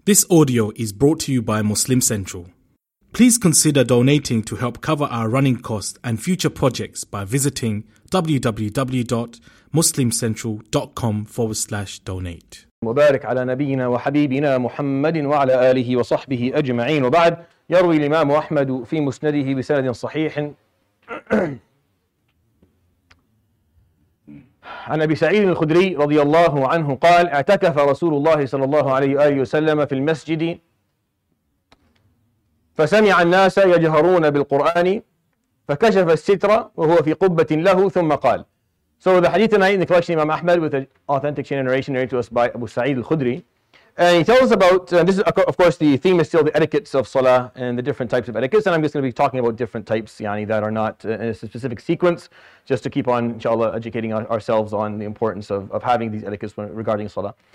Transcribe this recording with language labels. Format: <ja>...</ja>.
<en>This audio is brought to you by Muslim Central. Please consider donating to help cover our running costs and future projects by visiting www.muslimcentral.com/donate.</en> <ar>مبارك على نبينا وحبيبنا محمد وعلى آله وصحبه أجمعين. وبعد يروي الإمام أحمد في مسنده بسند صحيح عن أبي سعيد الخدري رضي الله عنه قال اعتكف رسول الله صلى الله عليه وآله وسلم في المسجد فسمع الناس يجهرون بالقرآن فكشف الستر وهو في قبة له ثم قال.</ar> <en>So the hadith tonight in the collection of Imam Ahmad with an authentic chain narration narrated to us by Abu Sa'id al-Khudri. And he tells about, this is of course the theme is still the etiquettes of Salah and the different types of etiquettes. And I'm just going to be talking about different types, yani, that are not in a specific sequence, just to keep on, inshallah, educating ourselves on the importance of having these etiquettes regarding Salah.</en>